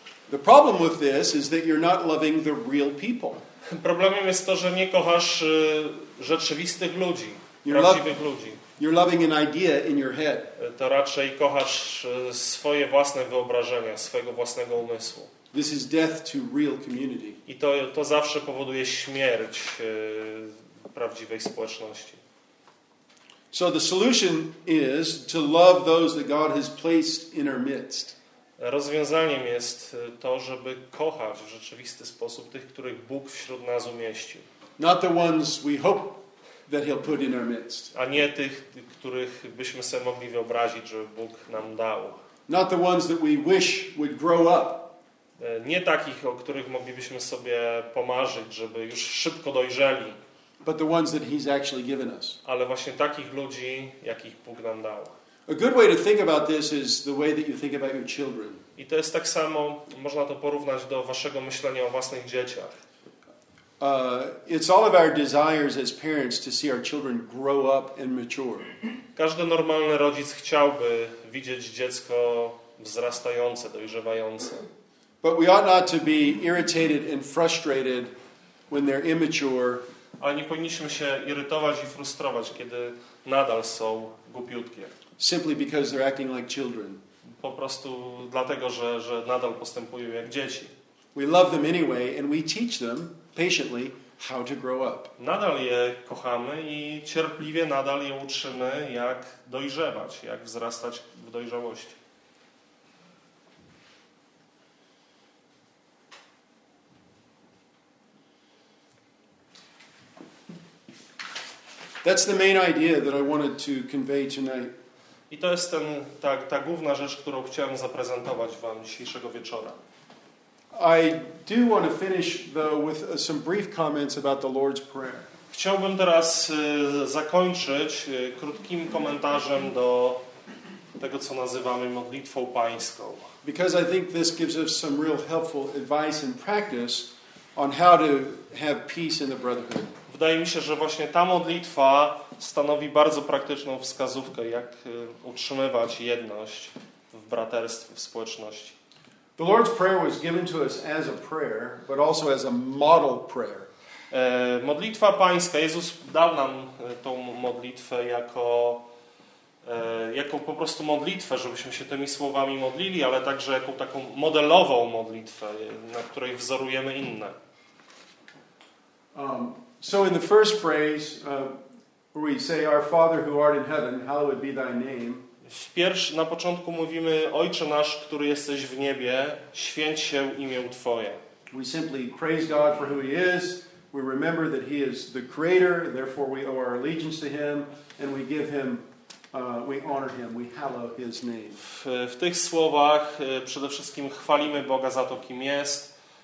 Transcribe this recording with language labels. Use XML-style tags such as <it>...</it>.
<en>The problem with this is that you're not loving the real people.</en> <pl>Problemem jest to, że nie kochasz rzeczywistych ludzi, prawdziwych ludzi.</pl> <en>You're loving an idea in your head.</en> <pl>To raczej kochasz swoje własne wyobrażenia, swojego własnego umysłu.</pl> <en>This is death to real community.</en> <pl>I to zawsze powoduje śmierć prawdziwej społeczności.</pl> <en>So the solution is to love those that God has placed in our midst.</en> <pl>Rozwiązaniem jest to, żeby kochać w rzeczywisty sposób tych, których Bóg wśród nas umieścił.</pl> <en>Not the ones we hope that he'll put in our midst.</en> <pl>A nie tych, których byśmy sobie mogli wyobrazić, żeby Bóg nam dał.</pl> <en>Not the ones that we wish would grow up.</en> <pl>Nie takich, o których moglibyśmy sobie pomarzyć, żeby już szybko dojrzeli.</pl> <en>But the ones that he's actually given us.</en> <pl>Ale właśnie takich ludzi, jakich Bóg nam dał.</pl> <en>A good way to think about this is the way that you think about your children.</en> <pl>I to jest tak samo, można to porównać do waszego myślenia o własnych dzieciach.</pl> <en>It's all of our desires as parents to see our children grow up and mature.</en> <pl>Każdy normalny rodzic chciałby widzieć dziecko wzrastające, dojrzewające.</pl> <en>But we ought not to be irritated and frustrated when they're immature.</en> <pl>Ale nie powinniśmy się irytować i frustrować, kiedy nadal są głupiutkie.</pl> <en>Simply because they're acting like children.</en> <pl>Po prostu dlatego, że nadal postępują jak dzieci.</pl> <en>We love them anyway and we teach them patiently how to grow up.</en> <pl>Nadal je kochamy i cierpliwie nadal je uczymy jak dojrzewać, jak wzrastać w dojrzałość.</pl> <en>That's the main idea that I wanted to convey tonight.</en> <pl>I to jest ta główna rzecz, którą chciałem zaprezentować wam dzisiejszego wieczora.</pl> <en>I do want to finish though with some brief comments about the Lord's Prayer.</en> <pl>Chciałbym teraz zakończyć krótkim komentarzem do tego, co nazywamy modlitwą pańską.</pl> <en>Because I think this gives us some real helpful advice and practice on how to have peace in the brotherhood.</en> <pl>Wydaje mi się, że właśnie ta modlitwa stanowi bardzo praktyczną wskazówkę, jak utrzymywać jedność w braterstwie, w społeczności.</pl> <en>The Lord's Prayer was given to us as a prayer, but also as a model prayer.</en> <pl>Modlitwa pańska, Jezus dał nam tą modlitwę jako po prostu modlitwę, żebyśmy się tymi słowami modlili, ale także jako taką modelową modlitwę, na której wzorujemy inne.</pl> <en>So in the first phrase, where we say, "Our Father who art in heaven, hallowed be thy name."</en> <pl>Na początku mówimy, Ojcze nasz, który jesteś w niebie, święć się imię Twoje.</pl> <en>We simply praise God for who He is. We remember that He is the Creator, and therefore we owe our allegiance to Him, and we give Him, we honor Him, we hallow His name.</en> <pl>W tych słowach przede wszystkim chwalimy Boga za to, kim jest.</pl>